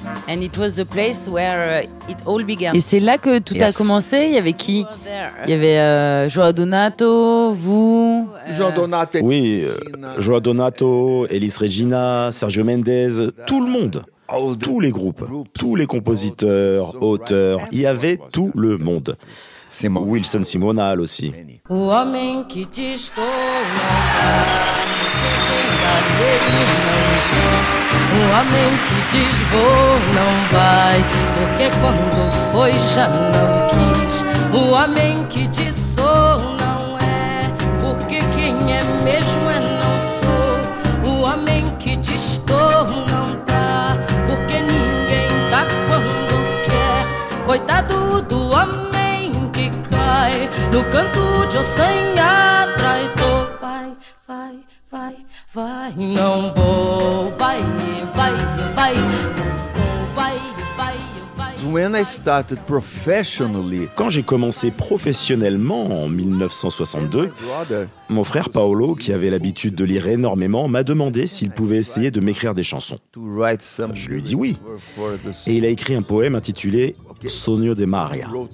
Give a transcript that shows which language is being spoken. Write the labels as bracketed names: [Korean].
[English] And it was the place where it all began. [French] Et c'est là que tout a commencé. Il y avait qui ? Il y avait João Donato, vous. João Donato. Oui, João Donato, Elis Regina, Sergio Mendes, tout le monde. Tous les groupes, tous les compositeurs, auteurs. Il y avait tout le monde. Simon. Wilson Simonal aussi. [Portuguese] O homem que te estoura, o homem que diz vou não vai, porque quando foi já não quis. O homem que diz sou não é, porque quem é mesmo é não sou. O homem que diz estou não tá, porque ninguém tá quando quer. Coitado do homem que cai no canto de ossanha, traidor. Vai, vai. Vai, vai, não vou, vai, vai, vai, vai, vai, vai, vai. [English] When I started professionally, [French] quand j'ai commencé professionnellement en 1962, mon frère Paolo, qui avait l'habitude de lire énormément, m'a demandé s'il pouvait essayer de m'écrire des chansons. Je lui ai dit oui. Et il a écrit un poème intitulé Sonho de Maria.